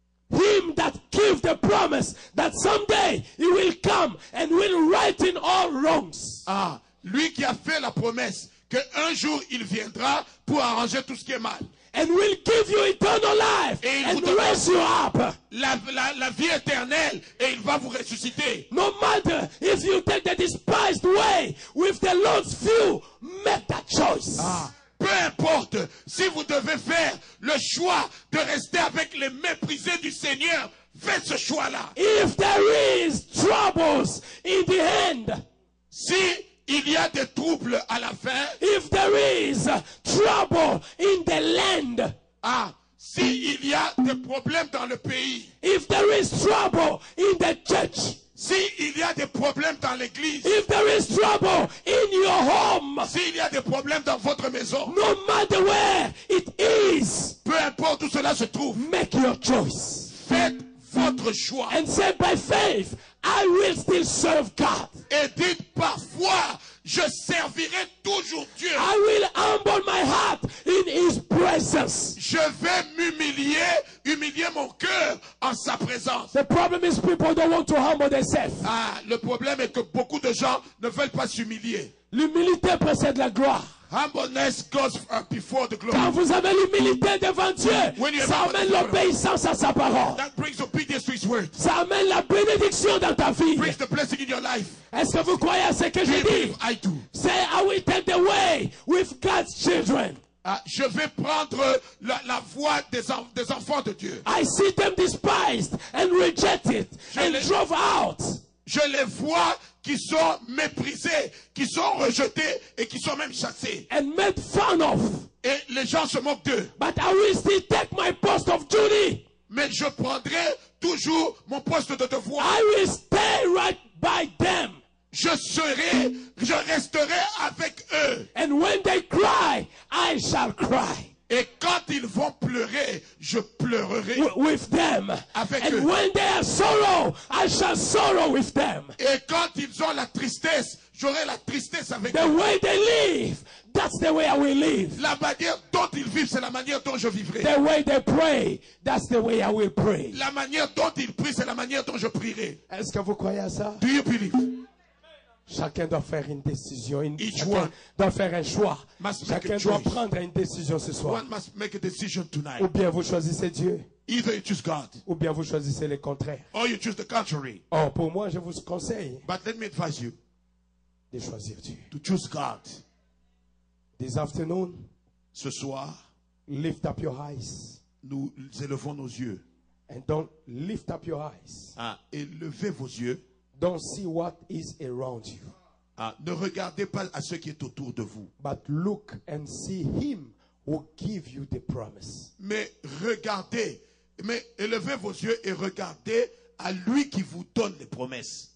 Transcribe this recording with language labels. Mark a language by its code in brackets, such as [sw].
[en] Him that gives the promise that someday he will come and will right in all wrongs. [fr] Ah, lui qui a fait la promesse que un jour il viendra pour arranger tout ce qui est mal. [en] And will give you eternal life and raise you up. [fr] La vie éternelle et il va vous ressusciter. [en] No matter if you take the despised way with the Lord's view, make that choice. Ah, [fr] Peu importe si vous devez faire le choix de rester avec les méprisés du Seigneur, faites ce choix-là. [en] If there is troubles in the end, [fr] si il y a des troubles à la fin, [en] if there is trouble in the land, [fr] ah, si il y a des problèmes dans le pays, [en] if there is trouble in the church, [fr] si il y a des problèmes dans l'église, [en] if there is trouble in your home, [fr] si il y a des problèmes dans votre maison, [en] no matter where it is, [fr] peu importe où cela se trouve, [en] make your choice, [fr] faites votre choix, [en] and say by faith, I will still serve God. [fr] Et dites par foi, je servirai toujours Dieu. [en] I will humble my heart in His presence. [fr] Je vais m'humilier, humilier mon cœur en sa présence. [en] The problem is people don't want to humble themselves. [fr] Ah, le problème est que beaucoup de gens ne veulent pas s'humilier. L'humilité précède la gloire. [en] Humbleness goes before the glory. [fr] Quand vous avez l'humilité devant Dieu, ça amène l'obéissance à sa parole. [en] That brings obedience to His word. [fr] Ça amène la bénédiction dans ta vie. [en] Brings the blessing in your life. [fr] Est-ce que vous croyez à ce que je dis? [en] I do. Say, I will take the way with God's children. [fr] Je vais prendre la voie des enfants de Dieu. [en] I see them despised and rejected and drove out. [fr] Je les vois qui sont méprisés, qui sont rejetés et qui sont même chassés. [en] And made fun of. [fr] Et les gens se moquent d'eux. [en] But I will still take my post of duty. [fr] Mais je prendrai toujours mon poste de devoir. [en] I will stay right by them. [fr] Je resterai avec eux. [en] And when they cry, I shall cry. [fr] Et quand ils vont pleurer, je pleurerai [en] with them. [fr] Avec [en] and [fr] eux. [en] When they have sorrow, I shall sorrow with them. [fr] Et quand ils ont la tristesse, j'aurai la tristesse avec [en] the [fr] eux. [en] The way they live, that's the way I will live. [fr] La manière dont ils vivent, c'est la manière dont je vivrai. [en] The way they pray, that's the way I will pray. [fr] La manière dont ils prient, c'est la manière dont je prierai. Est-ce que vous croyez à ça? [en] Do you believe? [fr] Chacun doit faire une décision. [en] Each [fr] chacun [en] one [fr] doit faire un choix. [en] Must [fr] chacun [en] make [fr] doit [en] choice. [fr] Prendre une décision ce soir. [en] One must make a decision tonight. [fr] Ou bien vous choisissez Dieu. [en] Either you choose God. [fr] Ou bien vous choisissez le contraire. [en] Or you choose the contrary. [fr] Oh, pour moi, je vous conseille. [en] But let me advise you. [fr] De choisir Dieu. [en] To choose God. This afternoon. [fr] Ce soir. [en] Lift up your eyes. [fr] Nous élevons nos yeux. [en] And don't lift up your eyes. [fr] Ah, élevez vos yeux. [en] Don't see what is around you. [fr] Ah, ne regardez pas à ce qui est autour de vous. [en] But look and see Him who give you the promise. [fr] Mais regardez, mais élevez vos yeux et regardez à lui qui vous donne les promesses.